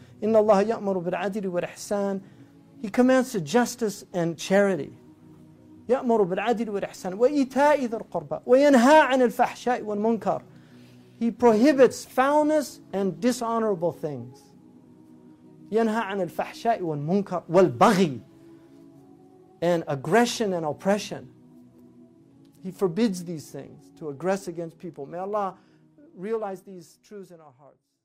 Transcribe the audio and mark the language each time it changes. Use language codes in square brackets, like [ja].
[ar] إِنَّ اللَّهَ يَأْمُرُ بِالْعَدْلِ وَالْإِحْسَانِ. [en] He commands to justice and charity. [ar] يَأْمُرُ بِالْعَدْلِ وَالْإِحْسَانِ وَإِيتَاءِ ذِي الْقُرْبَى وَيَنْهَى عَنِ الْفَحْشَاءِ وَالْمُنْكَرِ. [en] He prohibits foulness and dishonorable things. [ar] يَنْهَى عَنِ الْفَحْشَاءِ وَالْمُنْكَرِ وَالْبَغِي [en] and aggression and oppression. He forbids these things to aggress against people. May Allah realize these truths in our hearts.